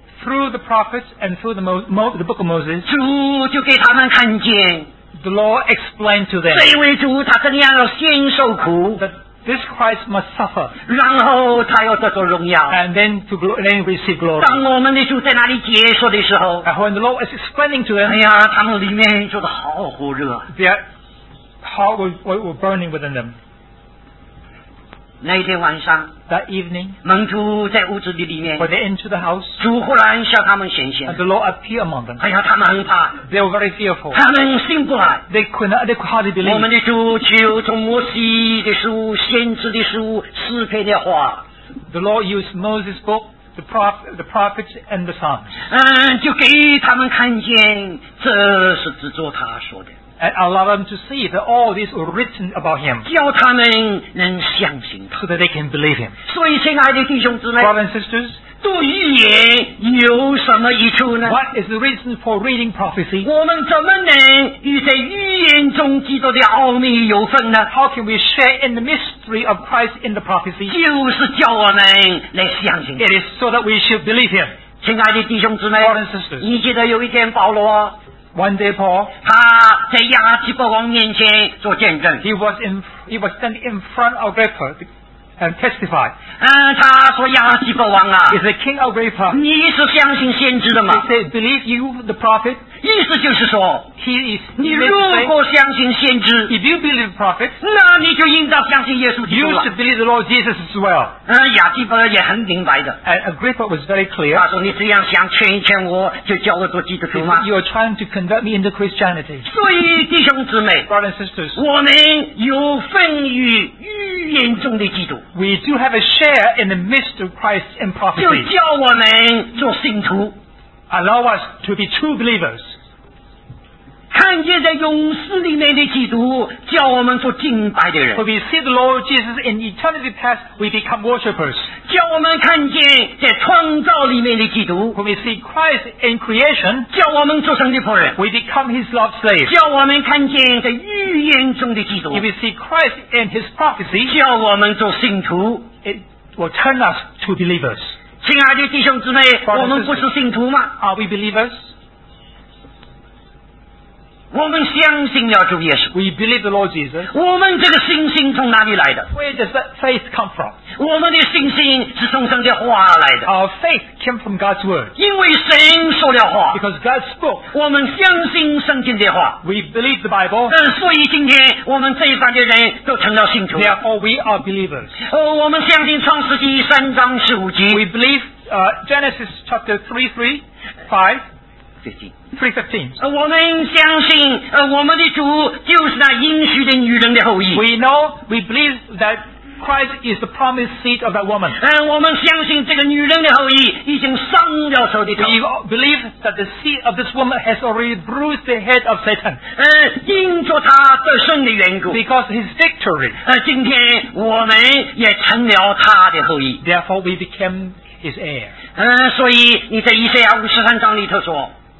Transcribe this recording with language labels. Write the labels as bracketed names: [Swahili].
[English] Through the prophets and through the book of Moses. [Chinese] 主就给他们看见。 [English] The Lord explained to them [Chinese] 这位主他怎样要先受苦 [English] that this Christ must suffer [Chinese] 然后他要得到荣耀 [English] and then to then receive glory [Chinese] 当我们的主在那里解说的时候 [English] and when the Lord is explaining to them [Chinese] 哎呀他们里面就是好火热 [English] their heart was burning within them [Chinese] 那天晚上 [English] that evening [Chinese] 门徒在屋子里面 [English] when they entered the house [Chinese] 主忽然向他们显现 [English] and the Lord appeared among them [Chinese] 哎呀他们很怕 [English] they were very fearful [Chinese] 他们信不来 [English] they could hardly believe [Chinese] 我们的主就从摩西的书先知的书赐给的话 [English] the Lord used Moses' book the prophets and the Psalms [Chinese] 就给他们看见这是指着他说的 [English] And allow them to see that all these were written about him. [Chinese] 叫他们能相信他 [English] so that they can believe him. [Chinese] 所以亲爱的弟兄姊妹 [English] Brothers and sisters, [Chinese] 读预言有什么益处呢 [English] What is the reason for reading prophecy? [Chinese] 我们怎么能与在预言中基督的奥秘有份呢 [English] How can we share in the mystery of Christ in the prophecy? [Chinese] 就是叫我们来相信他 [English] It is so that we should believe him. [Chinese] 亲爱的弟兄姊妹 [English] Brothers and sisters, [Chinese] 你记得有一天保罗 [English] One day, Paul. [Chinese] 他在亚基伯王面前做见证。 [English] He was standing in front of Agrippa and testified. [Chinese] 他说亚基伯王啊。 [English] He said, King Agrippa. [Chinese] 你是相信先知的吗 [English] ？He said, Believe you the prophet. [Chinese] 意思就是说 [English] ，He is. [Chinese] 你如果相信先知 [English] ，If you believe the prophet, [Chinese] 那你就应当相信耶稣基督了。 [English] You should believe the Lord Jesus as well. [Chinese] 亚基伯也很明白的。 [English] And Agrippa was very clear. [Chinese] 他说你这样想劝一劝我，就叫我做基督徒吗 [English] ？You are trying to convert me into Christianity. [Chinese] 所以弟兄姊妹 [English] ，Brothers and sisters, [Chinese] 我们有份于预言中的基督。 [English] We do have a share in the mystery of Christ in prophecy. [Chinese] 就叫我们做信徒。 [English] allow us to be true believers. [Chinese] 看见在永世里面的基督，叫我们做敬拜的人。 [English] When we see the Lord Jesus in eternity past, we become worshippers. [Chinese] 叫我们看见在创造里面的基督。 [English] When we see Christ in creation, [Chinese] 叫我们做神的仆人。 [English] We become His love slaves. [Chinese] 叫我们看见在预言中的基督。 [English] When we see Christ in His prophecy, [Chinese] 叫我们做信徒。 [English] It will turn us to believers. [Chinese] 亲爱的弟兄姊妹，我们不是信徒吗？ [English] Are we believers? [Chinese] 我们相信了主耶稣。 [English] We believe the Lord Jesus. [Chinese] 我们这个信心从哪里来的？ [English] Where does that faith come from? [Chinese] 我们的信心是从神的话来的。 [English] Our faith came from God's word. [Chinese] 因为神说了话。 [English] Because God spoke. [Chinese] 我们相信圣经的话。 [English] We believe the Bible. [Chinese] 所以今天我们这一班的人都成了信徒。 [English] Therefore, we are believers. [Chinese] 我们相信创世纪三章十五节。 [English] We believe, Genesis chapter 3:15. [Chinese] 我们相信我们的主就是那应许的女人的后裔。 [English] We know, we believe that Christ is the promised seed of that woman. [Chinese] 我们相信这个女人的后裔已经伤了仇敌。 [English] We believe that the seed of this woman has already bruised the head of Satan. [Chinese] 因着他得胜的缘故。 [English] Because his victory. [Chinese] 今天我们也成了他的后裔。 [English] Therefore, we became his heir. [Chinese] 所以你在以赛亚五十三章里头说。